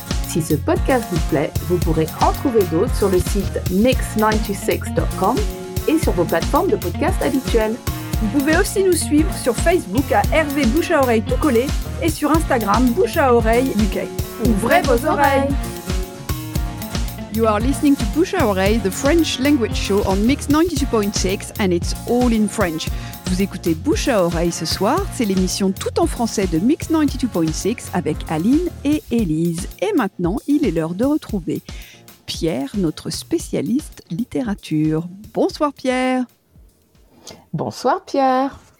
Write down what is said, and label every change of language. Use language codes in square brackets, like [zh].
[fr] Si ce podcast vous plaît, vous pourrez en trouver d'autres sur le site mix96.com et sur vos plateformes de podcast habituelles. Vous pouvez aussi nous suivre sur Facebook à Hervé Bouche à Oreille tout collé et sur Instagram Bouche à Oreille UK. Ouvrez vos oreilles! [en] You are listening to Bouche à Oreille, the French language show on Mix 92.6 and it's all in French. [fr] Vous écoutez Bouche à Oreille ce soir, c'est l'émission tout en français de Mix 92.6 avec Aline et Élise. Et maintenant, il est l'heure de retrouver Pierre, notre spécialiste littérature. Bonsoir Pierre! Bonsoir Pierre!